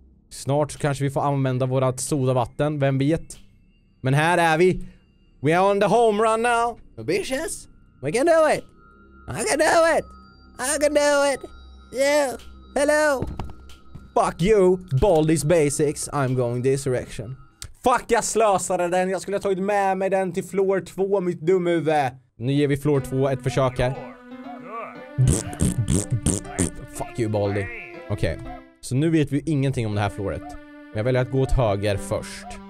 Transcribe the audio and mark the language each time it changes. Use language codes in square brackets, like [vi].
[sv] Snart kanske vi får använda vårat sodavatten. Vem vet? Men här är vi. [en] We are on the home run now. Ambitious. We can do it. I can do it. I can do it. Yeah. Hello. Fuck you. Baldi's basics. I'm going this direction. [sv] Fuck, jag slösade den. Jag skulle ha tagit med mig den till floor 2, mitt dumhuvud. Nu ger vi floor 2 ett försök här. [en] Fuck you, Baldi. [sv] Okej. Okay. Så nu vet vi ingenting om det här floret. Men jag väljer att gå åt höger först.